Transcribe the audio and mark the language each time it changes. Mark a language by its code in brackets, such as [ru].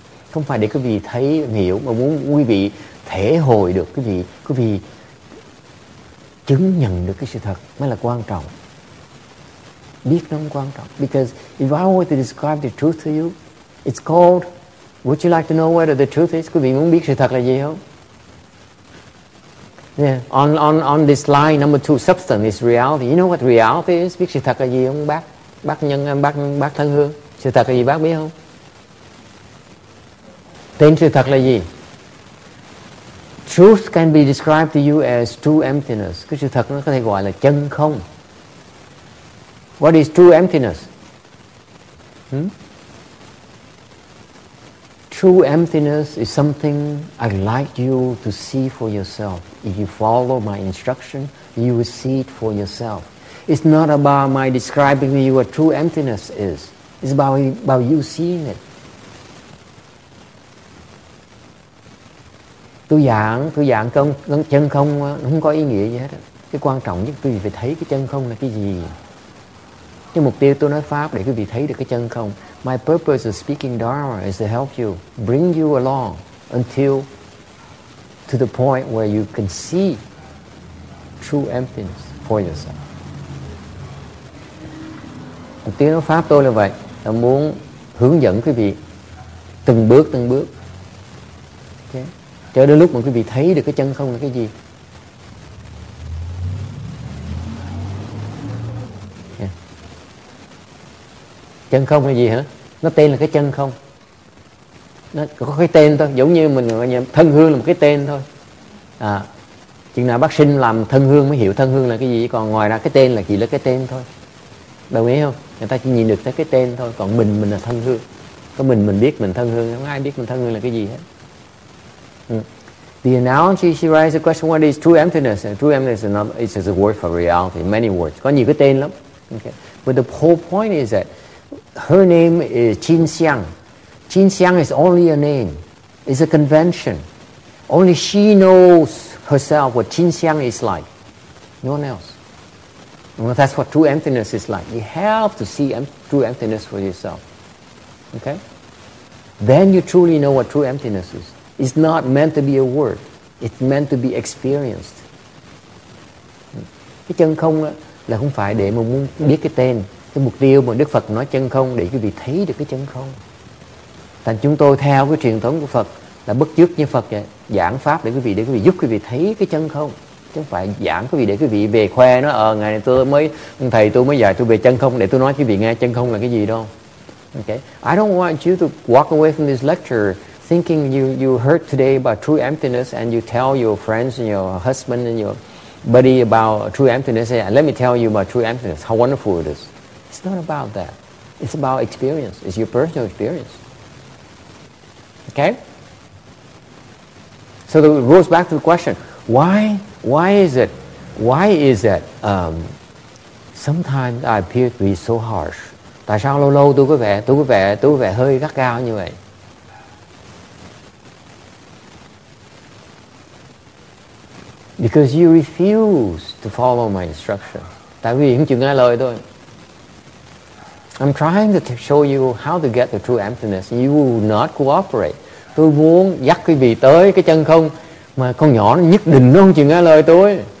[vi] Không phải để quý vị thấy, hiểu, mà muốn quý vị thể hội được, quý vị chứng nhận được cái sự thật mới là quan trọng. Biết nó quan trọng. [en] Because if I were to describe the truth to you, it's called, would you like to know whether the truth is? [vi] Quý vị muốn biết sự thật là gì không? [en] Yeah, on this line number 2, substance is reality. You know what reality is? [vi] Biết sự thật là gì không bác? Bác nhân, bác thân hương. Sự thật là gì bác biết không? Tên sự thật là gì? [en] Truth can be described to you as true emptiness. [vi] Cái sự thật nó có thể gọi là chân không. [en] What is true emptiness? True emptiness is something I'd like you to see for yourself. If you follow my instruction, you will see it for yourself. It's not about my describing to you what true emptiness is. It's about you seeing it. [vi] Tôi giảng chân không không có ý nghĩa gì hết. Cái quan trọng nhất quý vị phải thấy cái chân không là cái gì. Cái mục tiêu tôi nói pháp để quý vị thấy được cái chân không. [en] My purpose of speaking Dharma is to help you, bring you along until to the point where you can see true emptiness for yourself. [vi] Mục tiêu nói pháp tôi là vậy, là muốn hướng dẫn quý vị từng bước. Okay. Cho đến lúc mà quý vị thấy được cái chân không là cái gì. Chân không là gì hả? Nó tên là cái chân không. Nó có cái tên thôi. Giống như mình gọi là thân hương là một cái tên thôi. À, chừng nào bác sinh làm thân hương mới hiểu thân hương là cái gì. Còn ngoài ra cái tên là chỉ là cái tên thôi. Đồng ý không? Người ta chỉ nhìn được tới cái tên thôi. Còn mình là thân hương. Có mình biết mình thân hương. Không ai biết mình thân hương là cái gì hết. [en] The analogy she raised the question, what is true emptiness? True emptiness is another, it's just a word for reality. Many words. [vi] Có nhiều cái tên lắm. [en] Okay. But the whole point is that her name is Jin Xiang. Jin Xiang is only a name. It's a convention. Only she knows herself what Jin Xiang is like. No one else. Well, that's what true emptiness is like. You have to see true emptiness for yourself. Okay? Then you truly know what true emptiness is. It's not meant to be a word. It's meant to be experienced. [vi] Cái chân không là không phải để mà muốn biết cái tên. Cái mục tiêu mà Đức Phật nói chân không để quý vị thấy được cái chân không. Thành chúng tôi theo cái truyền thống của Phật là bất chước như Phật vậy, giảng pháp để quý vị giúp quý vị thấy cái chân không. Chứ không phải giảng quý vị để quý vị về khoe nó ờ ngày này tôi mới thầy tôi mới dạy tôi về chân không để tôi nói quý vị nghe chân không là cái gì đâu. Okay. [en] I don't want you to walk away from this lecture thinking you heard today about true emptiness and you tell your friends and your husband and your buddy about true emptiness and let me tell you about true emptiness, how wonderful it is. It's not about that. It's about experience. It's your personal experience. Okay? So it goes back to the question, why is it sometimes I appear to be so harsh? [vi] Tại sao lâu lâu tôi có vẻ hơi gắt gao như vậy? [en] Because you refuse to follow my instruction. [vi] Tại vì không chịu nghe lời tôi. [en] I'm trying to show you how to get the true emptiness. You will not cooperate. [vi] Tôi muốn dắt quý vị tới cái chân không. Mà con nhỏ nó nhất định nó không chịu nghe lời tôi.